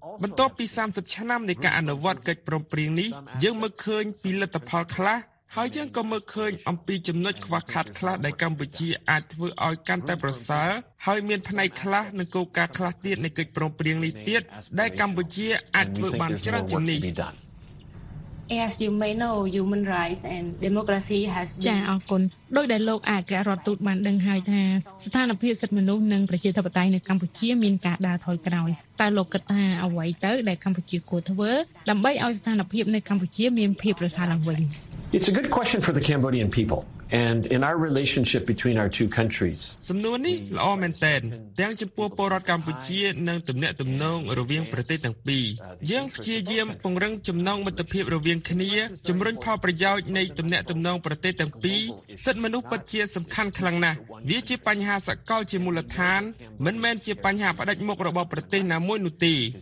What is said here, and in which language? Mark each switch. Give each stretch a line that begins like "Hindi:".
Khmer: បន្ទាប់ពី30ឆ្នាំនៃការអនុវត្តកិច្ចព្រមព្រៀងនេះយើងមើលឃើញពីលទ្ធផលខ្លះហើយយើងក៏មើលឃើញអំពីចំណុចខ្វះខាតខ្លះដែលកម្ពុជាអាចធ្វើឲ្យកាន់តែប្រសើរហើយមានផ្នែកខ្លះនឹងគោលការណ៍ខ្លះទៀតនៃកិច្ចព្រមព្រៀងនេះទៀតដែលកម្ពុជាអាចធ្វើបានច្រើនជាងនេះ
English: As you may know, human rights and democracy has been...
Khmer: ចាអរគុណដោយដែលលោកអគ្គរដ្ឋទូតបានដឹងហើយថាស្ថានភាពសិទ្ធិមនុស្សនិងប្រជាធិបតេយ្យនៅកម្ពុជាមានការដើរថយក្រោយតើលោកគិតថាអ្វីទៅដែលកម្ពុជាគួរធ្វើដើម្បីឲ្យស្ថានភាពនៅកម្ពុជាមានភាពប្រសើរឡើងវិញ
English: It's a good question for the Cambodian people and in our relationship between our two countries.
Khmer: សំណួរនេះល្អមែនទែនទាំងចំពោះពលរដ្ឋកម្ពុជានិងទំនាក់ទំនងរវាងប្រទេសទាំងពីរយើងព្យាយាមពង្រឹងចំណងមិត្តភាពរវាងគ្នាជំរុញផលប្រយោជន៍នៃទំនាក់ទំនងប្រទេសទាំងពីរសិទ្ធិមនុស្សពិតជាសំខាន់ខ្លាំងណាស់វាជាបញ្ហាសកលជាមូលដ្ឋានមិនមែនជាបញ្ហាផ្ដាច់មុខរបស់ប្រទេសណាមួយនោះទេ